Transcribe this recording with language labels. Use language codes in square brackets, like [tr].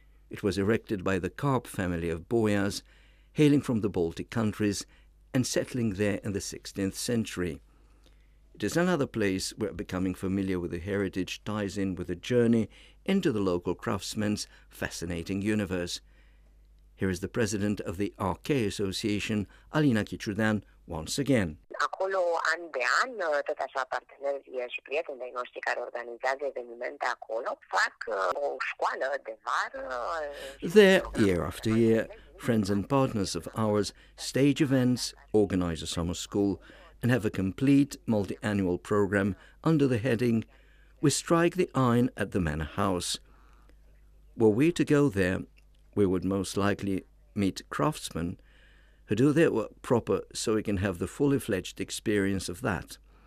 [en] It was erected by the Karp family of Boyars, hailing from the Baltic countries and settling there in the 16th century. It is another place where becoming familiar with the heritage ties in with a journey into the local craftsman's fascinating universe. Here is the president of the RK Association, Alina Kichudan, once again. [ro] Acolo an de an, tot așa partenerii și prietenii noștri care organizează evenimente acolo, fac o școală de vară. [en] There, year after year, friends and partners of ours stage events, organize a summer school, and have a complete multi-annual program under the heading We Strike the Iron at the Manor House. Were we to go there, we would most likely meet craftsmen who do their work proper so we can have the fully fledged experience of that.